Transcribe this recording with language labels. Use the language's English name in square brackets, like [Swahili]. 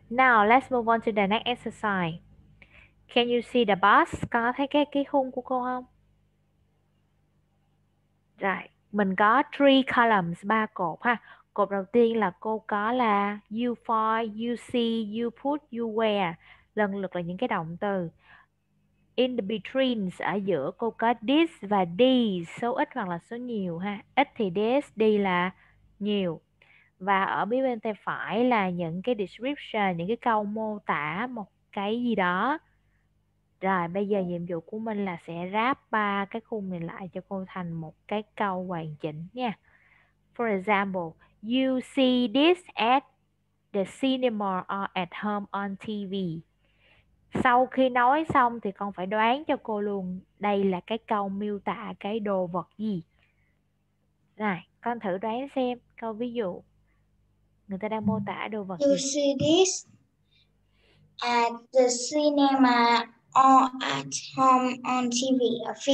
[English] Now let's move on to the next exercise. Can you see the bus? [Vietnamese] Có thấy cái khung của cô không? Right. Mình có [English] three columns, [Vietnamese] ba cột ha. Cột đầu tiên là cô có là [English] you find, you see, you put, you wear. [Vietnamese] Lần lượt là những cái động từ. [English] In the betweens, [Vietnamese] ở giữa cô có this và these, số ít hoặc là số nhiều ha. Ít thì this, đi là nhiều. Và ở phía bên tay phải là những cái description, những cái câu mô tả một cái gì đó. Rồi bây giờ nhiệm vụ của mình là sẽ ráp ba cái khung này lại cho cô thành một cái câu hoàn chỉnh nha. [English] For example, you see this at the cinema or at home on TV. [Vietnamese] Sau khi nói xong thì con phải đoán cho cô luôn đây là cái câu miêu tả cái đồ vật gì. Rồi, con thử đoán xem câu ví dụ. Người ta đang mô tả đồ vật [English] You [Vietnamese] gì? [English] see this at the cinema or at home on TV,